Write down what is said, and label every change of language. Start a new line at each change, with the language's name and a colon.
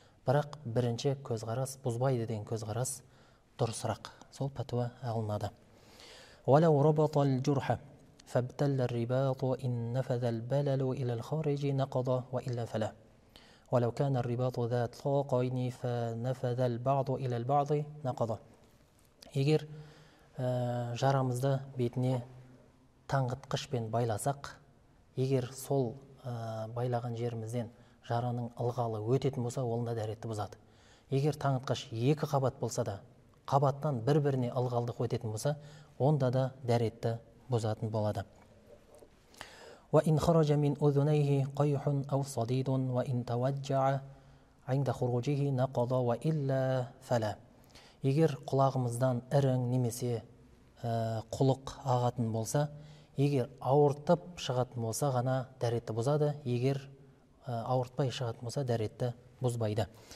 Kazakh: Бірақ бірінші көзқарас бұзбайды деген көзқарас дұрысырақ. Сол пәтуа алынады.
Arabic: Уалау рабата ал-джурха. فابتل الرباط وإن نفذ البلل إلى الخارج نقض وإلا فلا ولو كان الرباط ذات طاقين فنفذ البعض إلى البعض نقض
Kazakh: егер жарамызды бетіне таңғытқышпен байласақ, егер сол байлаған жерімізден жараның ылғалы өтетін болса, олында дәретті бұзады. Егер таңғытқыш екі қабат болса да, қабаттан бір-біріне ылғалдық өтетін болса, онда да дәретті бұзатын болады.
Arabic: وَإِنْ خَرَجَ مِنْ أُذُنَيْهِ قَيْحٌ أَوْ صَدِيدٌ وَإِنْ تَوَجَّعَ عِنْدَ خُرُوجِهِ نَقَضَ وَإِلَّا فَلَا
Kazakh: егер құлағымыздан ірің немесе құлық ағатын болса, егер ауыртып шығатын болса ғана дәретті бұзады, егер ауыртпай шығатын болса дәретті бұзбайды.